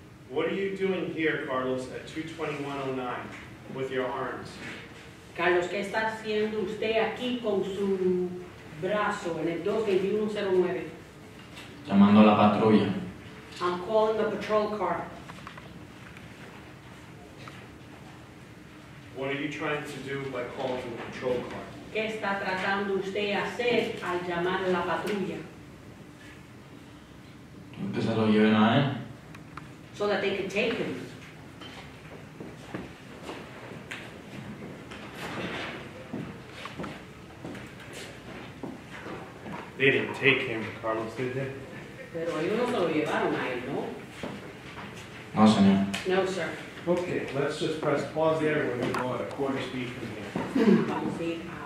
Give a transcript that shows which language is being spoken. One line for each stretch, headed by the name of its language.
English: What are you doing here, Carlos, at 2:21:09, with your arms?
Spanish: Carlos, ¿qué está haciendo usted aquí con su brazo en el 2:21:09? Llamando a la patrulla.
English: I'm calling the patrol car. What are you trying to do by calling the patrol car?
Spanish: ¿Qué está tratando usted hacer al llamar a la patrulla? Que se lo lleven a él.
English: So that they can take him. They didn't take him, Carlos, did they?
Spanish: Pero ellos no se lo llevaron a él, ¿no? No, señor.
English: No, sir. Okay, let's just press pause there. We're going to go at a quarter speed from here.